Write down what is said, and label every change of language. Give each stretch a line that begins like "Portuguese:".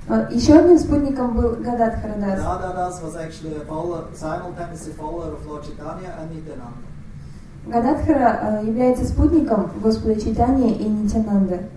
Russian: Еще одним спутником был Гададхара Дас.
English: Гададас was actually a follower, simultaneously follower of Lord Chaitanya and Nityananda.
Russian: Гададхара является спутником Господа Чайтаньи и Нитянанды.